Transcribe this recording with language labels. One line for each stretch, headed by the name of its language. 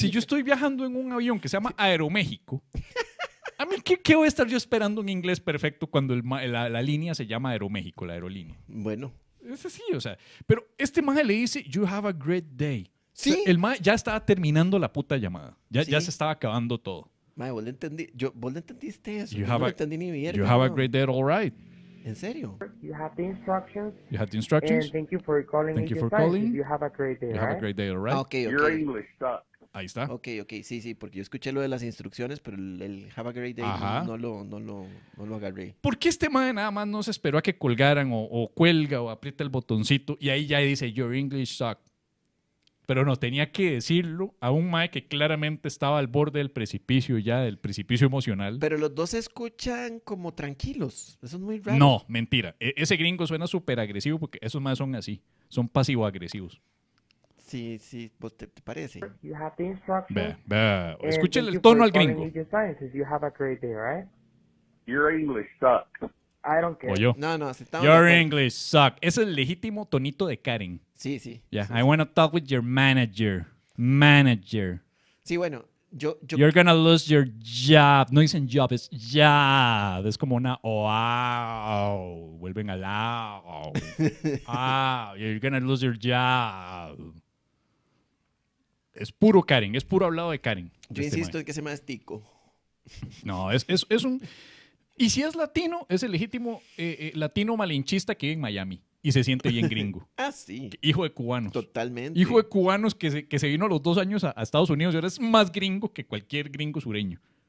Spanish: Si yo estoy viajando en un avión que se llama Aeroméxico. ¿A mí qué voy a estar yo esperando un inglés perfecto cuando la línea se llama Aeroméxico, la aerolínea? Bueno. Es así, o sea. Pero este man le dice,
English: you have a great day.
Spanish: Sí. O sea, el man ya estaba terminando la puta llamada. Ya, ¿sí? Ya se estaba acabando todo. Madre, vos le entendí. ¿Vos le entendiste eso? Yo no lo entendí ni mierda.
English: You have a great day, all right.
Spanish: ¿En serio?
English: You have the instructions. You have the instructions. And thank you for calling. Thank you for calling. You have a great day, you have a great day, all right. Ah, okay, okay. Your English sucks.
Spanish: Ahí está. Ok, ok, sí, sí, porque yo escuché lo de las instrucciones, pero el
English: have a great day
Spanish: no lo agarré. ¿Por qué este madre nada más no se esperó a que colgaran o cuelga o aprieta el botoncito y ahí ya dice
English: your English suck?
Spanish: Pero no, tenía que decirlo a un madre que claramente estaba al borde del precipicio ya, del precipicio emocional. Pero los dos se escuchan como tranquilos, eso es muy raro. No, mentira, ese gringo suena súper agresivo porque esos madres son así, son pasivo-agresivos. Sí, sí, ¿vos te parece?
English: You have the instructions.
Spanish: Escúchale el tono al gringo.
English: You have a great day, right? Your English sucks. I don't care.
Spanish: O yo. No, si estamos...
English: Your English sucks.
Spanish: Es el legítimo tonito de Karen. Sí, sí.
English: Yeah,
Spanish: sí,
English: I
Spanish: sí.
English: Want to talk with your manager. Manager.
Spanish: Sí, bueno, yo...
English: You're going to lose your job.
Spanish: No dicen job, es job. Es como una wow. Vuelven al wow.
English: Ah, you're going to lose your job.
Spanish: Es puro Karen, es puro hablado de Karen. Yo insisto en que se me mastico. No, es un... Y si es latino, es el legítimo latino malinchista que vive en Miami y se siente bien gringo. Ah, sí. Hijo de cubanos. Totalmente. Hijo de cubanos que se vino a los 2 años a Estados Unidos y ahora es más gringo que cualquier gringo sureño.